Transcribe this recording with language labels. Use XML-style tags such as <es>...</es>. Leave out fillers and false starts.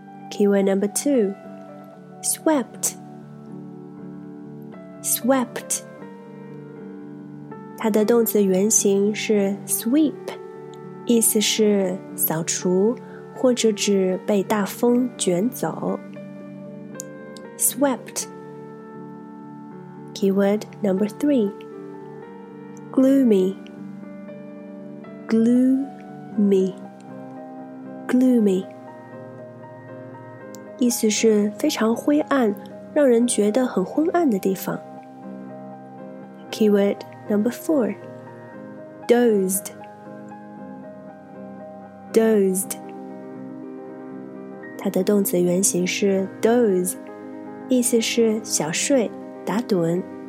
<en>Keyword number two, swept, swept。</en> <zh>它的动词原形是 sweep， 意思是扫除或者指被大风卷走。</zh> <en>Swept。 Keyword number three, gloomy, gloomy, gloomy.</en> <zh>意思是非常灰暗，让人觉得很昏暗的地方。</zh> <en>Keyword number four, dozed, dozed.</en> <zh>它的动词原形是 doze， 意思是小睡、打盹。</zh>